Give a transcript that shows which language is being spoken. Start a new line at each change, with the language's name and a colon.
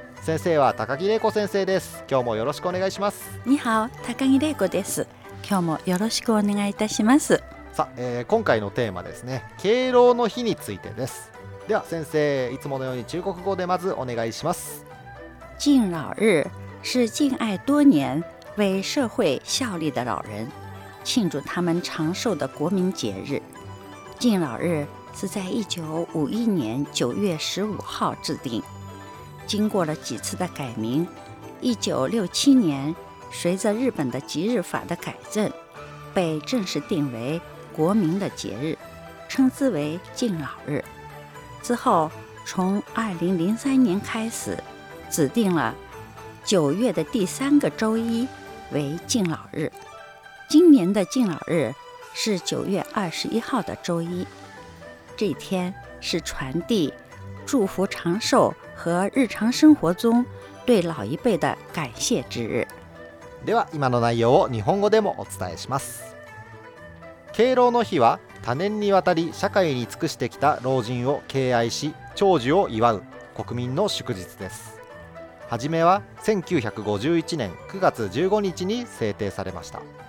Japanese: 先生は高木玲子先生です。今日もよろしくお願いします。
Chinese: 你好、
Japanese: 高木玲子です。今日もよろしくお願いいたします。さあ、今回のテーマですね、敬老の日についてです。では先生、いつものように中国語でまずお願いします。
Chinese: 敬老日是敬爱多年为社会效力的老人庆祝他们长寿的国民节日。敬老日是在1951年9月15号制定，经过了几次的改名，1967年随着日本的吉日法的改正，被正式定为国民的节日，称之为敬老日。之后从2003年开始指定了九月的第三个周一为敬老日，今年的敬老日是9月21号的周一，这一天是传递祝福长寿和日常生活中对老一辈的感谢之日。
Japanese: では今の内容を日本語でもお伝えします。敬老の日は多年にわたり社会に尽くしてきた老人を敬愛し長寿を祝う国民の祝日です。はじめは1951年9月15日に制定されました。